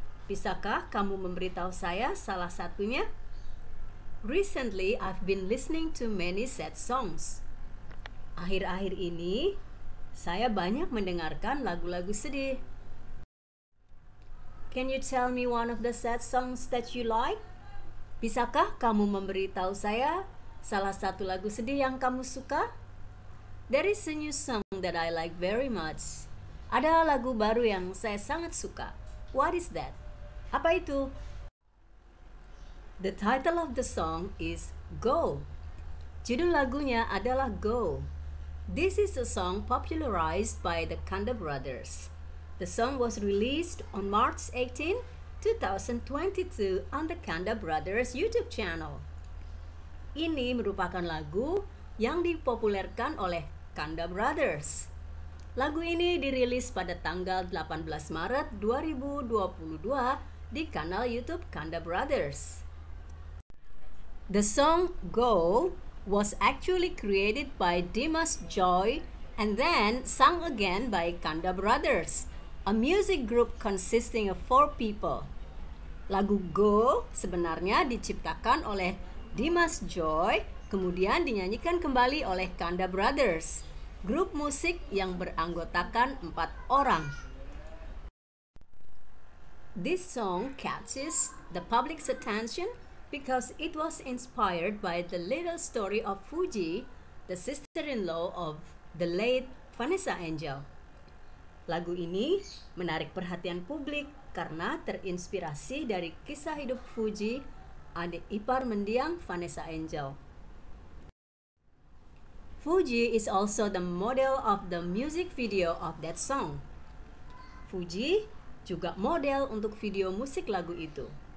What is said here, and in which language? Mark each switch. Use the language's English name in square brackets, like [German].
[Indonesian] Bisakah kamu memberitahu saya salah satunya? [English] Recently, I've been listening to many sad songs. [Indonesian] Akhir-akhir ini, saya banyak mendengarkan lagu-lagu sedih. [English] Can you tell me one of the sad songs that you like? [Indonesian] Bisakah kamu memberitahu saya salah satu lagu sedih yang kamu suka? [English] There is a new song that I like very much. [Indonesian] Ada lagu baru yang saya sangat suka. [English] What is that? [Indonesian] Apa itu? [English] The title of the song is Go. [Indonesian] Judul lagunya adalah Go. [English] This is a song popularized by the Kanda Brothers. The song was released on March 18, 2022 on the Kanda Brothers YouTube channel. [Indonesian] Ini merupakan lagu yang dipopulerkan oleh Kanda Brothers. Lagu ini dirilis pada tanggal 18 Maret 2022 di kanal YouTube Kanda Brothers. [English] The song Go was actually created by Dimas Joy and then sung again by Kanda Brothers, a music group consisting of 4 people. [Indonesian] Lagu Go sebenarnya diciptakan oleh Dimas Joy, kemudian dinyanyikan kembali oleh Kanda Brothers, grup musik yang beranggotakan 4 orang. [English] This song catches the public's attention because it was inspired by the little story of Fuji, the sister-in-law of the late Vanessa Angel. [Indonesian] Lagu ini menarik perhatian publik karena terinspirasi dari kisah hidup Fuji, adik ipar mendiang Vanessa Angel. [English] Fuji is also the model of the music video of that song. [Indonesian] Fuji juga model untuk video musik lagu itu.